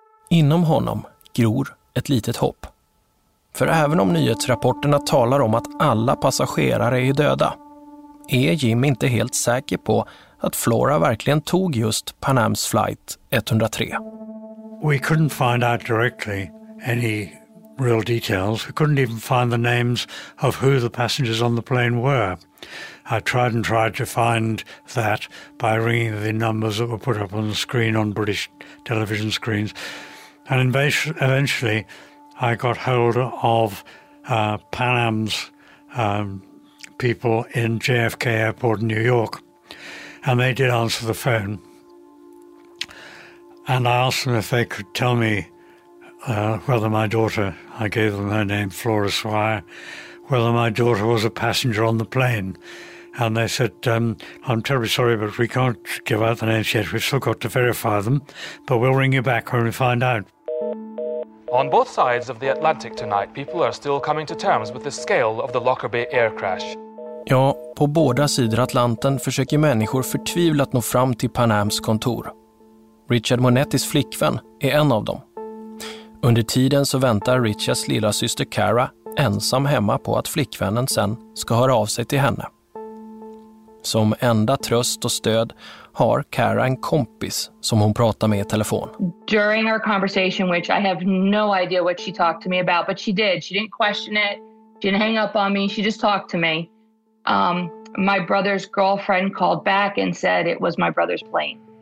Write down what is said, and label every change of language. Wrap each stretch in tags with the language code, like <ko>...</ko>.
<sv>Inom honom gror ett litet hopp. För även om nyhetsrapporterna talar om att alla passagerare är döda, är Jim inte helt säker på att Flora verkligen tog just Pan Am's flight 103.</sv> <en>We couldn't find out directly any real details. We couldn't even find the names of who the passengers on the plane were. I tried and tried to find that by ringing the numbers that were put up on the screen on British television screens. And eventually I got hold of Pan Am's people in JFK Airport in New York, and they did answer the phone. And I asked them if they could tell me whether my daughter, I gave them her name, Flora Swire, whether my daughter was a passenger on the plane. And they said, I'm terribly sorry, but we can't give out the names yet. We've still got to verify them, but we'll ring you back when we find out. On both sides of the Atlantic tonight, people are still coming to terms with the scale of the Lockerbie air crash.</en> <sv>Ja, på båda sidor Atlanten försöker människor förtvivlat nå fram till Pan Am's kontor. Richard Monettis flickvän är en av dem. Under tiden så väntar Richards lilla syster Cara ensam hemma på att flickvännen sen ska höra av sig till henne. Som enda tröst och stöd har Cara en kompis som hon pratar med i telefon.</sv> <en>During our conversation, which I have no idea what she talked to me about, but she did. She didn't question it. She didn't hang up on me. She just talked to me. My brother's girlfriend called back and said it was my brother's plane.</en>